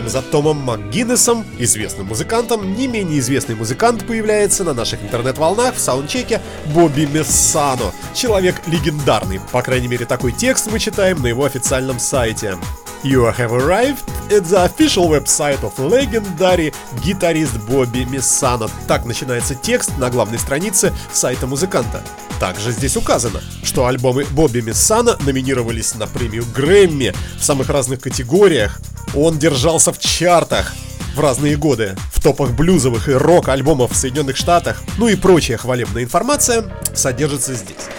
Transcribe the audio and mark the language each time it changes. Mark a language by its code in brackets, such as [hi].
[ru] Томом McGuinnessом, известным музыкантом, не менее известный музыкант появляется на наших интернет-волнах в саундчеке Бобби Messano. Человек легендарный, по крайней мере такой текст мы читаем на его официальном сайте. [en] You have arrived at the official website of legendary [ru] гитарист [en] Бобби Мессано. [ru] Так начинается текст на главной странице сайта музыканта. Также здесь указано, что альбомы Бобби Мессано номинировались на премию Грэмми в самых разных категориях. Он держался в чартах в разные годы, в топах блюзовых и рок-альбомов в Соединенных Штатах, ну и прочая хвалебная информация содержится здесь.